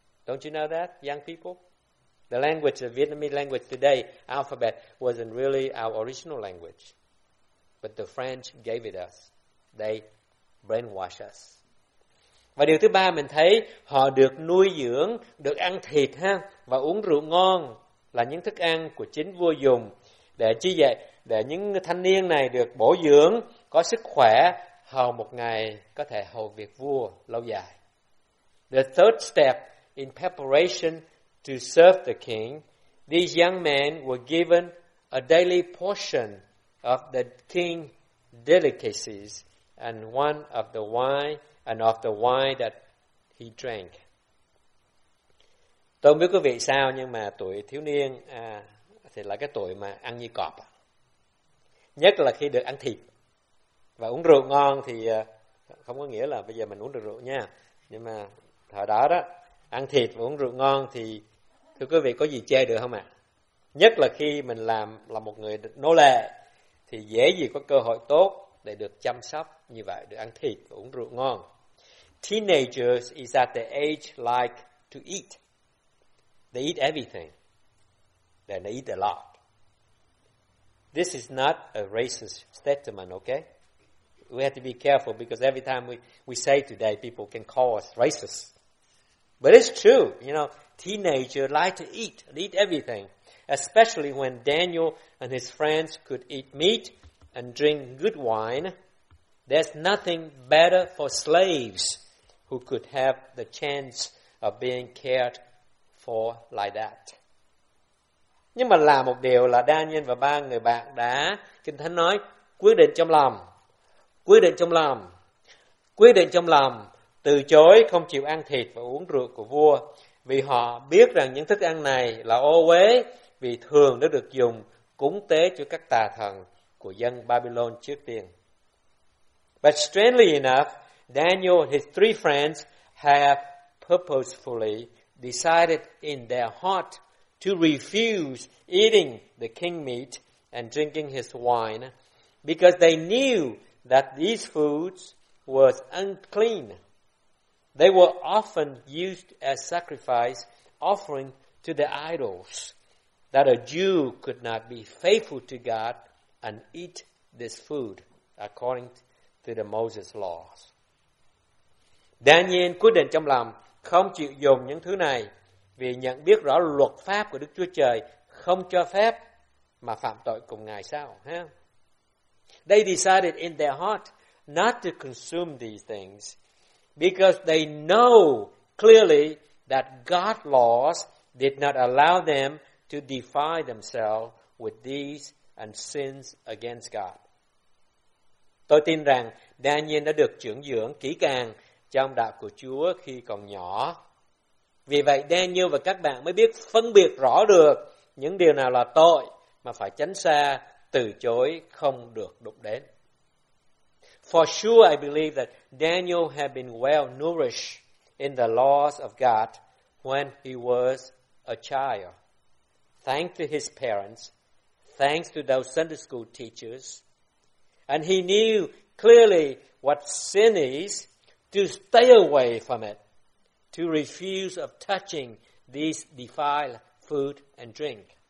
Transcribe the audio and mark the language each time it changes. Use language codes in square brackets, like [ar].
[en] Don't you know that, young people? The language, the Vietnamese language today, alphabet, wasn't really our original language, but the French gave it us. They brainwash us. [vi] Và điều thứ ba mình thấy họ được nuôi dưỡng, được ăn thịt ha và uống rượu ngon là những thức ăn của chính vua dùng để chi vậy? Để những thanh niên này được bổ dưỡng, có sức khỏe, hầu một ngày có thể hầu việc vua lâu dài. [en] The third step in preparation to serve the king These young men were given a daily portion of the king's delicacies and one of the wine and of the wine that he drank. [vi] Tôi không biết quý vị sao nhưng mà tuổi thiếu niên thì là cái tuổi mà ăn như cọp. Nhất là khi được ăn thịt và uống rượu ngon thì không có nghĩa là bây giờ mình uống được rượu nha. Nhưng mà thời đó đó, ăn thịt và uống rượu ngon thì thưa quý vị có gì chê được không ạ? Nhất là khi mình làm là một người nô lệ thì dễ gì có cơ hội tốt để được chăm sóc như vậy, được ăn thịt và uống rượu ngon. [en] Teenagers is at the age like to eat. They eat everything. And they eat a lot. This is not a racist statement, okay? We have to be careful because every time we say today, people can call us racist. But it's true, you know, teenagers like to eat, and eat everything, especially when Daniel and his friends could eat meat and drink good wine. There's nothing better for slaves who could have the chance of being cared for like that. [vi] Nhưng mà là một điều là Daniel và ba người bạn đã, Kinh Thánh nói, quyết định trong lòng. Quyết định trong lòng. Quyết định trong lòng từ chối không chịu ăn thịt và uống rượu của vua vì họ biết rằng những thức ăn này là ô uế vì thường đã được dùng cúng tế cho các tà thần của dân Babylon trước tiên. [en] But strangely enough, Daniel and his three friends have purposefully decided in their heart to refuse eating the king meat and drinking his wine because they knew that these foods was unclean. They were often used as sacrifice offering to the idols, that a Jew could not be faithful to God and eat this food according to the Moses laws. [vi] Daniel quyết định trong lòng không chịu dùng những thứ này vì nhận biết rõ luật pháp của Đức Chúa Trời không cho phép mà phạm tội cùng Ngài sao. Ha? [en] They decided in their heart not to consume these things because they know clearly that God's laws did not allow them to defy themselves with these and sins against God. [vi] Tôi tin rằng Daniel đã được trưởng dưỡng kỹ càng trong đạo của Chúa khi còn nhỏ. Vì vậy Daniel và các bạn mới biết phân biệt rõ được những điều nào là tội mà phải tránh xa, từ chối không được đụng đến. [en] For sure I believe that Daniel had been well nourished in the laws of God when he was a child. Thanks to his parents, thanks to those Sunday school teachers, and he knew clearly what sin is, to stay away from it, to refuse of touching these defiled food and drink.